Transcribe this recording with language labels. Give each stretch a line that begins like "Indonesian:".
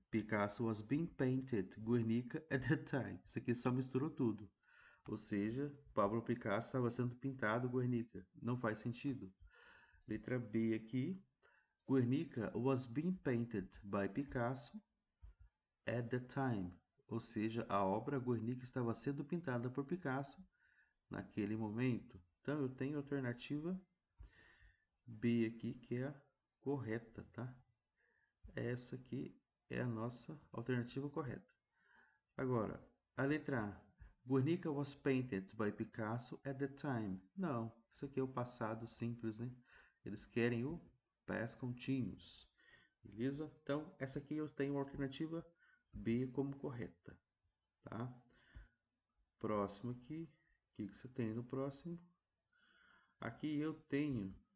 English: Picasso was being painted Guernica at the time.
Portuguese: Isso aqui só misturou tudo. Ou seja, Pablo Picasso estava sendo pintado Guernica. Não faz sentido. Letra B aqui.
English: Guernica was being painted by Picasso at the time.
Portuguese: Ou seja, a obra Guernica estava sendo pintada por Picasso naquele momento. Então eu tenho alternativa B aqui, que é a correta, tá? Essa aqui é a nossa alternativa correta. Agora, a letra A.
English: Guernica was painted by Picasso at the time.
Portuguese: Não, isso aqui é o passado simples, né? Eles querem o past continuous. Beleza? Então, essa aqui eu tenho a alternativa B como correta, tá? Próximo aqui. O que você tem no próximo? Aqui eu tenho.